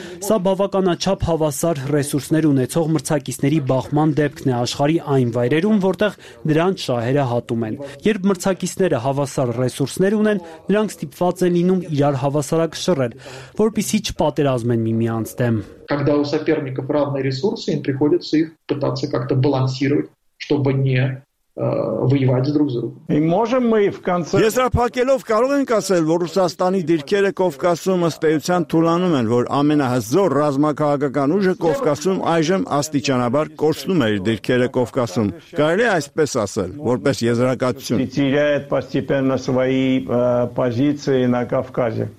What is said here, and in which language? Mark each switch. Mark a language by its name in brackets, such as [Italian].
[Armenian] սա բավականաչափ հավասար ռեսուրսներ ունեցող մրցակիցների բախման դեպքն է աշխարի այն վայրերում, որտեղ նրանց շահերը հատում են։ Երբ մրցակիցները հավասար ռեսուրսներ ունեն, նրանք ստիպված են լինում իրար հավասարակշռել, որպիսի չպատերազմեն միմյանց դեմ։ [Russian] Когда у соперников равные ресурсы, им приходится их пытаться как-то балансировать, чтобы не воевать друг с другом. И можем мы в конце [Armenian] Եզրափակելով կարող ենք ասել, որ Ռուսաստանի դիրքերը Կովկասում ըստ էության թուլանում են, որ ամենահզոր ռազմակահական ուժը Կովկասում այժմ աստիճանաբար կորցնում է իր դիրքերը Կովկասում։ Կարելի է այսպես ասել, որպես եզրակացություն։ [Russian] Ծիծիրեթ постепенно свои позиции на Кавказе.